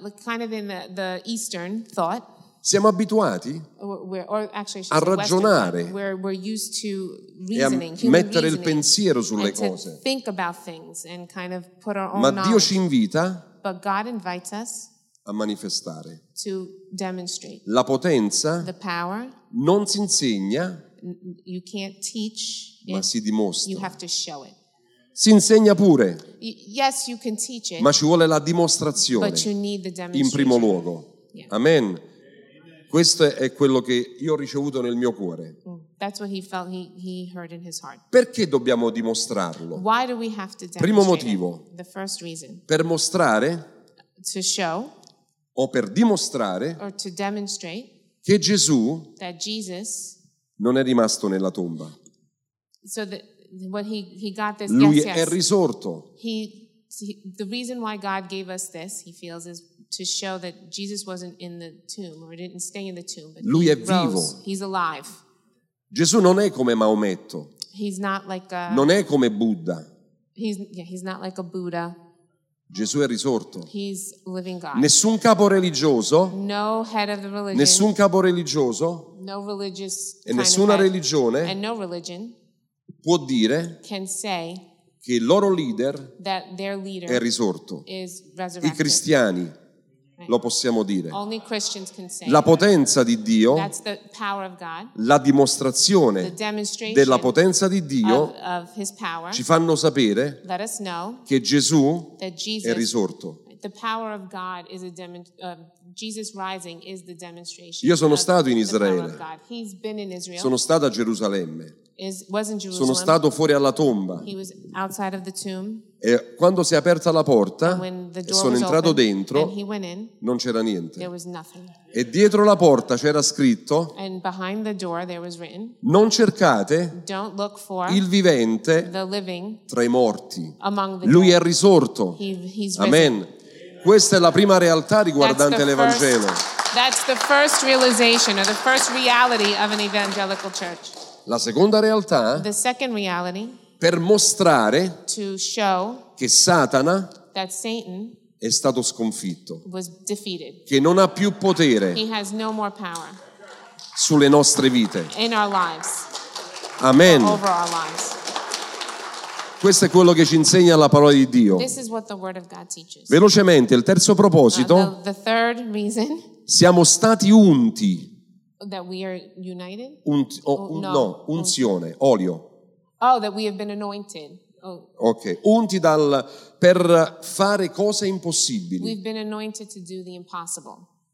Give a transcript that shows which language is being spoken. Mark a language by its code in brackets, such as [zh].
[en] Kind of in the Eastern thought. [it] Siamo abituati a ragionare [en] we're used to [it] e a mettere il pensiero sulle cose. [en] Think about things and kind of put our own [it] ma [en] knowledge. [it] Dio ci invita [en] but God invites us [it] a manifestare [en] to demonstrate. [it] La potenza [en] the power [it] non si insegna. [en] You can't teach [it] ma [en] it. [it] Si dimostra. [en] You have to show it. [it] Si insegna pure. [en] Yes, you can teach it. [it] Ma ci vuole la dimostrazione. [en] But you need the demonstration. [it] In primo luogo. [en] Yeah. Amen. [it] Questo è quello che io ho ricevuto nel mio cuore. [en] That's what he felt he heard in his heart. [it] Perché dobbiamo dimostrarlo? [en] Why do we have to demonstrate? [it] Primo motivo. [en] It? The first reason. [it] Per mostrare. [en] To show. [it] O per dimostrare. [en] Or to demonstrate. [it] Che Gesù. [en] That Jesus. [it] Non è rimasto nella tomba. [en] So he got this, [it] lui [en] yes, [it] è risorto. [en] The reason why God gave us this, he feels, is to show that Jesus wasn't in the tomb or didn't stay in the tomb. But [it] lui [en] he [it] è [en] rose. [it] Vivo. [en] He's alive. [it] Gesù non è come Maometto. [en] He's not like a, [it] non è come Buddha. [en] He's not like a Buddha. [it] Gesù è risorto. [en] He's living God. [it] Nessun capo religioso. [en] No head of the religion. [it] Nessun capo religioso. [en] No religious. [it] E nessuna religione. [en] And no religion. [it] Può dire. [en] Can say. [it] Che il loro leader. [en] That their leader. [it] È risorto. [en] Is resurrected. [it] I cristiani. Lo possiamo dire. [en] Only Christians can say. [it] La potenza di Dio. [en] That's the power of God. [it] La dimostrazione. [en] The demonstration. [it] Della potenza di Dio. [en] Of his power. [it] Ci fanno sapere. [en] Let us know. [it] Che Gesù. [en] That Jesus. [it] È risorto. [en] The power of God is a Jesus rising is the demonstration. [it] Io sono stato in Israele. [en] He's been in Israel. [it] Sono stato a Gerusalemme. [en] Was in Jerusalem. [it] Sono stato fuori alla tomba. [en] He was outside of the tomb. [it] E quando si è aperta la porta, sono entrato [en] open, [it] dentro, [en] and he went in, [it] non c'era niente. [en] There was nothing. [it] E dietro la porta c'era scritto, [en] and behind the door there was written, [it] non cercate [en] don't look for [it] il vivente [en] the living [it] tra i morti. [en] Among the [it] lui [en] dead. [it] È risorto. [en] He's risen. Amen. [it] Questa è la prima realtà riguardante l'Evangelo. [en] That's the first realization or the first reality of an evangelical church. [it] La seconda realtà, [en] the second reality, [it] per mostrare [en] to show [it] che Satana [en] that Satan [it] è stato sconfitto, [en] was defeated. [it] Che non ha più potere [en] he has no more power [it] sulle nostre vite. [en] In our lives. Amen. Over our lives. [it] Questo è quello che ci insegna la parola di Dio. [en] This is what the word of God teaches. [it] Velocemente, il terzo proposito, [en] the third reason, [it] siamo stati unti. [en] That we are united? [it] Unzione, olio. [en] Oh, that we have been anointed. [it] Ok, unti dal per fare cose impossibili. [en] We've been anointed to do the impossible.